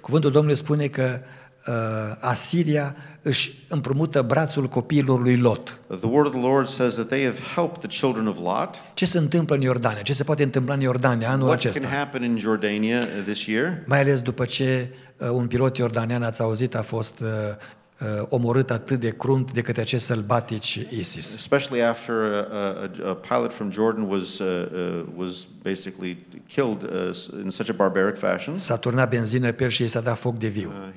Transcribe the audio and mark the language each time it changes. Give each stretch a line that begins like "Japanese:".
Romanian: cuvântul Domnului spune că Asiria își împrumută brațul copiilor lui Lot.
English: The word of the Lord says that they have helped the children of Lot.
Romanian: Ce se întâmplă în Iordania? Ce se poate întâmpla în Iordania anul
English: what
Romanian: acesta?
English: What can happen in Jordania this year?
Romanian: Mai ales după ce un pilot iordanian, ați auzit, a fost omorât atât de crunt de către acești sălbatici ISIS.
English: Especially after a pilot from Jordan was basically killed in such a barbaric fashion.
Romanian: S-a turnat benzină pe el și s-a dat foc de viu.